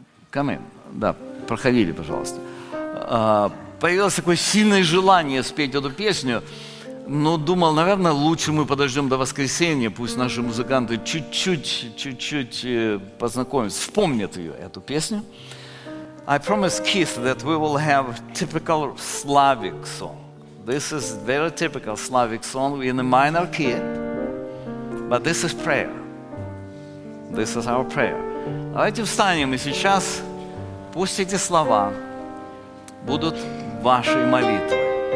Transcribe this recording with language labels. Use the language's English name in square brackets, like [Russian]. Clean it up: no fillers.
[Russian] Камин, да, проходите, пожалуйста. Появилось такое сильное желание спеть эту песню. Но думал, наверное, лучше мы подождем до воскресенья, пусть наши музыканты чуть-чуть познакомятся, вспомнят ее, эту песню. [English] I promise Keith that we will have a typical Slavic song. This is very typical Slavic song in a minor key, but this is prayer. This is our prayer. [Russian] Давайте встанем, и сейчас пусть эти слова будут вашей молитвой.